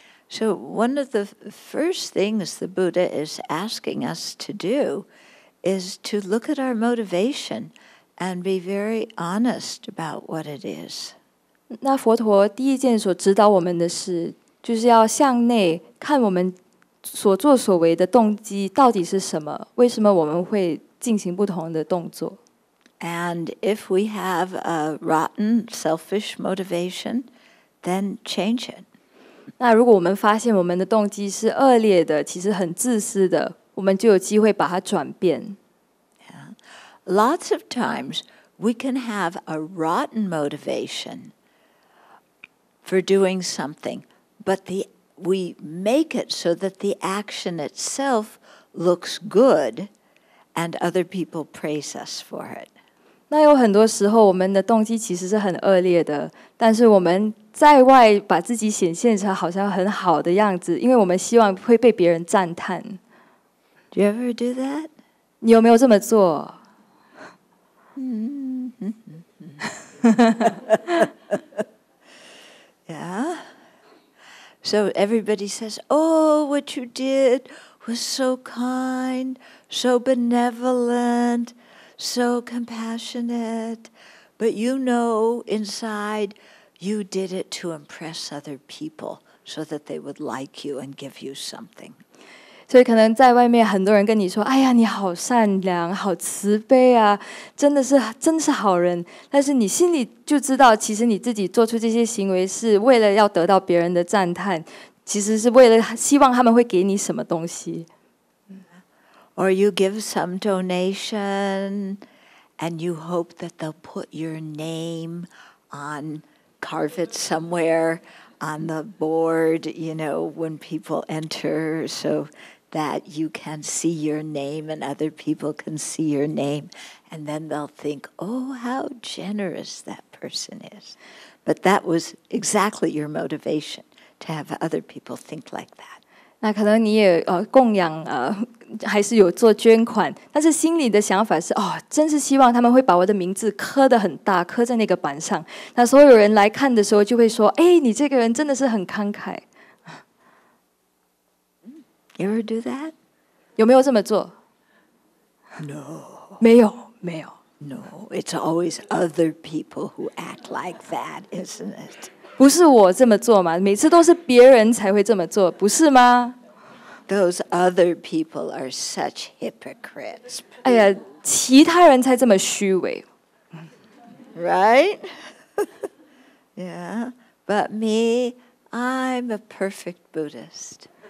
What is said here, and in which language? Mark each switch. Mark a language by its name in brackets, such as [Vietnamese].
[English] So one of the first things the Buddha is asking us to do is to look at our motivation and be very honest about what it is. [Chinese] 那佛陀第一件所指导我们的是，就是要向内看我们所作所为的动机到底是什么，为什么我们会进行不同的动作。 [English] And if we have a rotten, selfish motivation, then change it. [Chinese] 那如果我们发现我们的动机是恶劣的，其实很自私的，我们就有机会把它转变。 [English] Yeah. Lots of times, we can have a rotten motivation for doing something, but we make it so that the action itself looks good, and other people praise us for it. [Chinese] 那有很多时候我们的动机其实是很恶劣的，但是我们在外把自己显现成好像很好的样子，因为我们希望会被别人赞叹。 [English] Do you ever do that? [Chinese] 你有没有这么做？ [English] Yeah. So everybody says, oh, what you did was so kind, so benevolent, so compassionate, but you know inside you did it to impress other people so that they would like you and give you something. [Chinese] 所以可能在外面很多人跟你说，哎呀，你好善良，好慈悲啊，真的是好人，但是你心里就知道，其实你自己做出这些行为是为了要得到别人的赞叹，其实是为了希望他们会给你什么东西。 [English] Or you give some donation and you hope that they'll put your name on, carve it somewhere on the board, you know, when people enter so that you can see your name and other people can see your name. And then they'll think, oh, how generous that person is. But that was exactly your motivation, to have other people think like that. [Chinese] 那可能你也供养还是有做捐款，但是心里的想法是，哦，真是希望他们会把我的名字刻得很大，刻在那个板上，那所有人来看的时候就会说，哎，你这个人真的是很慷慨。 [English] You ever do that? [Chinese] 有没有这么做？ [English] No. [Chinese] 没有。 [English] No, it's always other people who act like that, isn't it? [Chinese] 不是我这么做吗？每次都是别人才会这么做，不是吗？ Those other people are such hypocrites. 哎呀，其他人才这么虚伪。 [English] Right? Yeah. But me, I'm a perfect Buddhist.